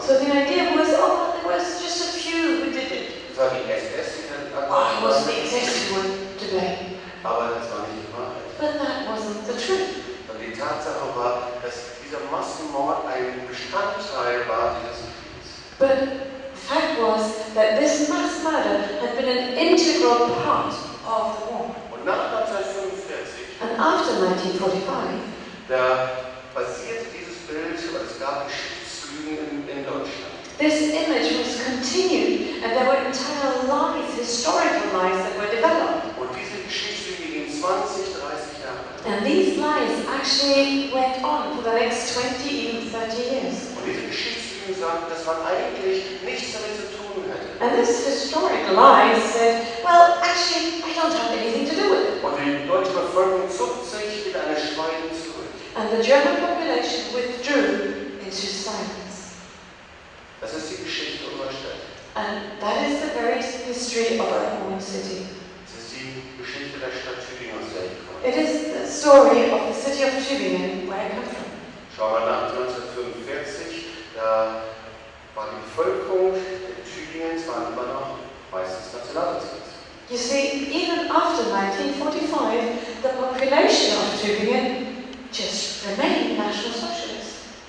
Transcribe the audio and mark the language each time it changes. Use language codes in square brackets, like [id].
[en] So the idea was, oh, there was just a few who did it. [de] Es war die SS. [en] Oh, it wasn't the existing one today. [de] Aber das war nicht die Wahrheit. [en] But that wasn't the truth. [de] Und die Tatsache war, dass dieser Massenmord ein Bestandteil war dieses Krieges. [en] But the fact was that this mass murder had been an integral part of the war. [de] Und nach 1945. [en] And after 1945. [de] Da basierte dieses Bild, weil es gab Geschichtslügen in Deutschland. [en] This image was continued, and there were entire lies, historical lies, that were developed. [de] Und diese Geschichte ging 20, 30 Jahre. [en] And these lies actually went on for the next 20, even 30 years. [de] Und diese Geschichtslügen sagten, dass man eigentlich nichts damit zu tun hätte. [en] And this historical lie said, well, actually, I don't have anything to do with it. [de] Und die deutsche Bevölkerung zog sich in eine Schweigen zurück. [en] And the German population withdrew into silence. [de] Das ist die Geschichte unserer Stadt. [en] And that is the very history of our own city. [de] Es ist die Geschichte der Stadt Tübingen, aus der ich komme. [en] It is the story of the city of Tübingen, where I come from. [de] Schau mal nach 1945, da war die Bevölkerung in Tübingen zwar immer noch meistens nationalsozialistisch. [en] You see, even after 1945, the population of Tübingen just remained national socialist.